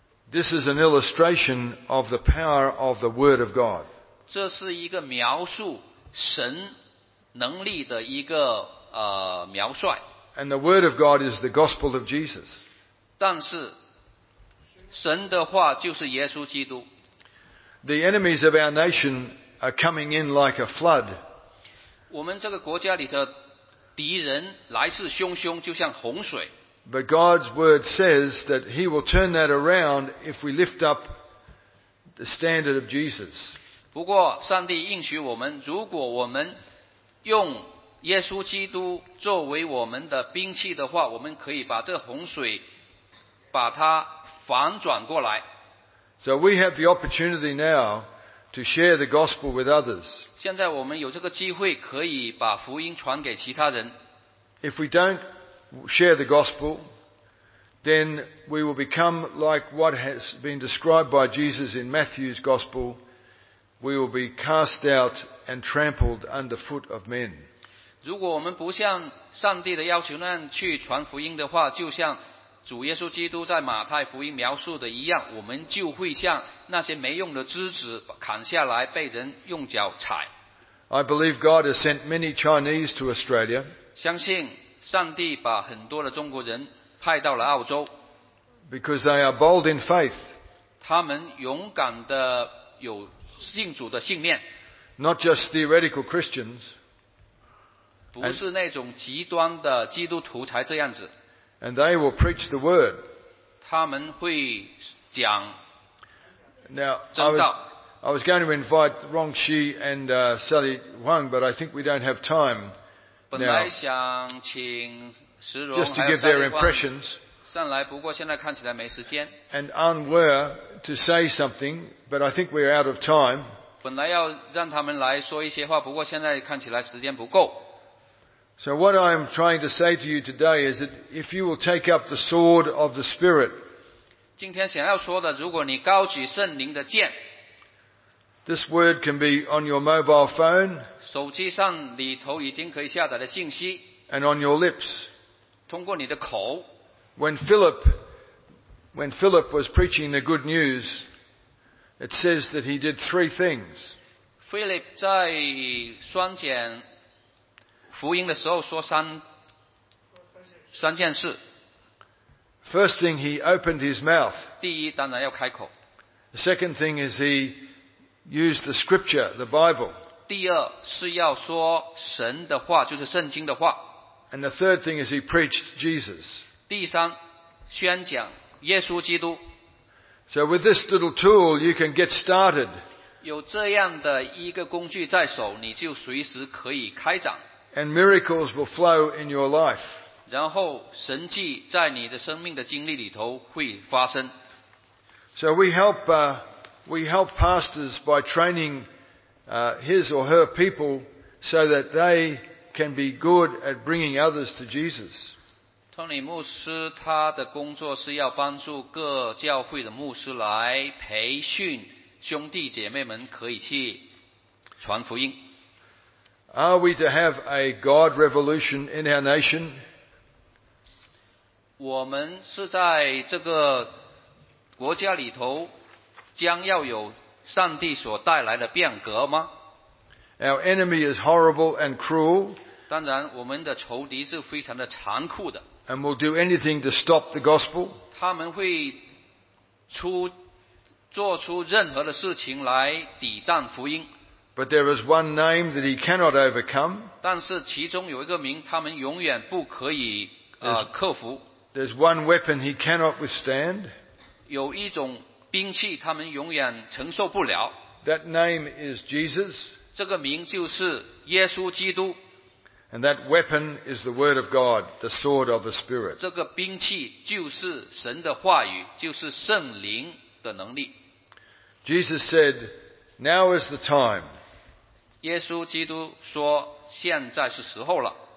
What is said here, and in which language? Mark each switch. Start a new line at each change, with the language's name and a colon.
English: This is an illustration of the power of the Word of God.
Chinese: 这是一个描述神能力的一个描述。
English: And the Word of God is the Gospel of Jesus.
Chinese: 但是神的话就是耶稣基督。
English: The enemies of our nation are coming in like a flood.
Chinese: 我们这个国家里的敌人来势汹汹，就像洪水。
English: But God's Word says that He will turn that around if we lift up the standard of Jesus.
Chinese: 不过上帝应许我们，如果我们用耶稣基督作为我们的兵器的话，我们可以把这洪水把它反转过来。
English: So we have the opportunity now to share the gospel with others.
Chinese: 现在我们有这个机会可以把福音传给其他人。
English: If we don't share the gospel, then we will become like what has been described by Jesus in Matthew's gospel. We will be cast out and trampled underfoot of men.
Chinese: 如果我们不像上帝的要求那样去传福音的话，就像主耶稣基督在马太福音描述的一样，我们就会像那些没用的枝子砍下来，被人用脚踩。
English: I believe God has sent many Chinese to Australia.
Chinese: 相信上帝把很多的中国人派到了澳洲。
English: Because they are bold in faith.
Chinese: 他们勇敢的有信主的信念。
English: Not just theoretical Christians.
Chinese: 不是那种极端的基督徒才这样子。
English: And they will preach the word.
Chinese: 他们会讲真道。
English: Now, I was going to invite Rong Xi and Sally Wang, but I think we don't have time.
Chinese: 本来想请石荣
English: just to give their impressions,
Chinese: 上来，不过现在看起来没时间。
English: And unwere to say something, but I think we're out of time.
Chinese: 本来要让他们来说一些话，不过现在看起来时间不够。
English: So what I'm trying to say to you today is that if you will take up the sword of the Spirit,
Chinese: 今天想要说的，如果你高举圣灵的剑。
English: This word can be on your mobile phone,
Chinese: 手机上里头已经可以下载的信息,
English: and on your lips,
Chinese: 通过你的口。
English: When Philip was preaching the good news, it says that he did three things.
Chinese: Philip 在宣讲福音的时候说三件事。
English: First thing, he opened his mouth.
Chinese: 第一，当然要开口。
English: The second thing is he. Use the scripture, the Bible.
Chinese: 第二是要说神的话，就是圣经的话。
English: And the third thing is he preached Jesus.
Chinese: 第三，宣讲耶稣基督。
English: So with this little tool, you can get started.
Chinese: 有这样的一个工具在手，你就随时可以开展。
English: And miracles will flow in your life.
Chinese: 然后神迹在你的生命的经历里头会发生。
English: So we help pastors by training his or her people so that they can be good at bringing others to Jesus.
Chinese: Tony 牧师他的工作是要帮助各教会的牧师来培训兄弟姐妹们可以去传福音。
English: Are we to have a God revolution in our nation?
Chinese: 我们是在这个国家里头将要有上帝所带来的变革吗？
English: Our enemy is horrible and cruel.
Chinese: 当然我们的仇敌是非常的残酷的。
English: And will do anything to stop the gospel.
Chinese: 他们会做出任何的事情来抵挡福音。
English: But there is one name that he cannot overcome.
Chinese: 但是其中有一个名他们永远不可以克服。
English: There's one weapon he cannot withstand.
Chinese: 有一种兵器他们永远承受不了。
English: That name is Jesus.
Chinese: 这个名就是耶稣基督。
English: And that weapon is the word of God, the sword of the Spirit.
Chinese: 这个兵器就是神的话语，就是圣灵的能力。
English: Jesus said,Now is the time.
Chinese: 耶稣基督说现在是时候了。